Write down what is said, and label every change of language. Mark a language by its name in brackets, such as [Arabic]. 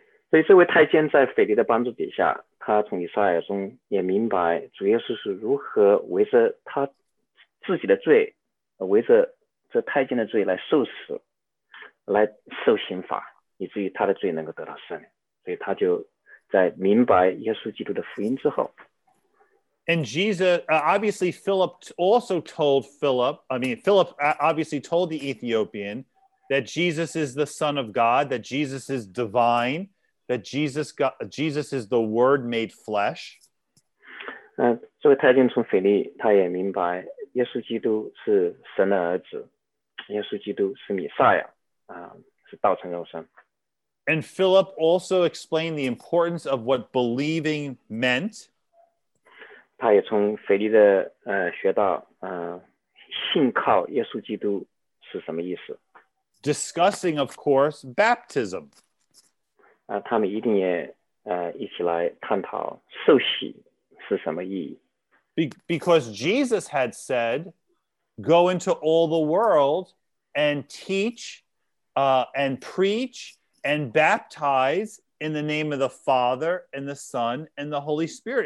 [Chinese] 所以这位太监在腓力的帮助底下，他从以赛亚中也明白主耶稣是如何为着他自己的罪，为着这太监的罪来受死，来受刑罚，以至于他的罪能够得到赦免。所以他就在明白耶稣基督的福音之后。 [English] And Jesus, obviously Philip also told Philip, I mean, Philip obviously told the Ethiopian that Jesus is the Son of God, that Jesus is divine, that Jesus is the Word made flesh. [Chinese] 这位太监从腓力，他也明白耶稣基督是神的儿子，耶稣基督是弥赛亚，是道成肉身。 [English] And Philip also explained the importance of what believing meant. [Chinese] 他也从腓力的学到信靠耶稣基督是什么意思。 [English] Discussing, of course, baptism. [Chinese] 他们一定也一起来探讨受洗是什么意义。 [English] Because Jesus had said, go into all the world and teach and preach and baptize in the name of the Father and the Son and the Holy Spirit.